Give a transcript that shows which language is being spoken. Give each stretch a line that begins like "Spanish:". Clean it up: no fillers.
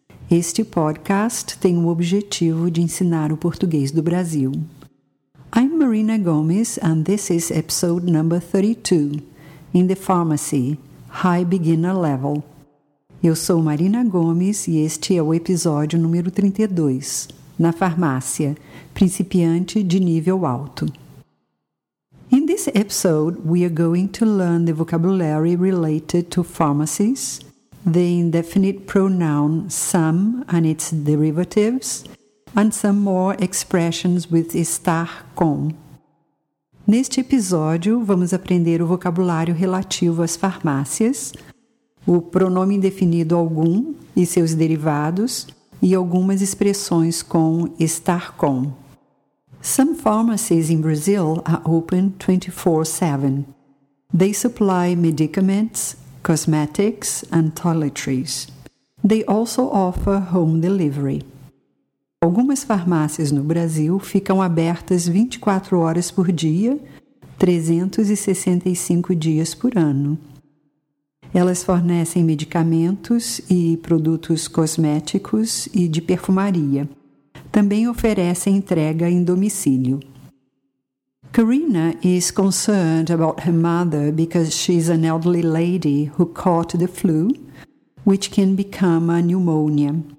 Portuguese: Este podcast tem o objetivo de ensinar o português do Brasil.
English: I'm Marina Gomes, and this is episode number 32, In the Pharmacy, High Beginner Level.
Portuguese: Eu sou Marina Gomes e este é o episódio número 32, Na Farmácia, Principiante de Nível Alto.
English: In this episode, we are going to learn the vocabulary related to pharmacies, the indefinite pronoun some and its derivatives, and some more expressions with estar com.
Portuguese: Neste episódio, vamos aprender o vocabulário relativo às farmácias, o pronome indefinido algum e seus derivados, e algumas expressões com estar com.
English: Some pharmacies in Brazil are open 24/7. They supply medicaments, cosmetics, and toiletries. They also offer home delivery.
Portuguese: Algumas farmácias no Brasil ficam abertas 24 horas por dia, 365 dias por ano. Elas fornecem medicamentos e produtos cosméticos e de perfumaria. Também oferecem entrega em domicílio.
English: Karina is concerned about her mother because she's an elderly lady who caught the flu, which can become a pneumonia.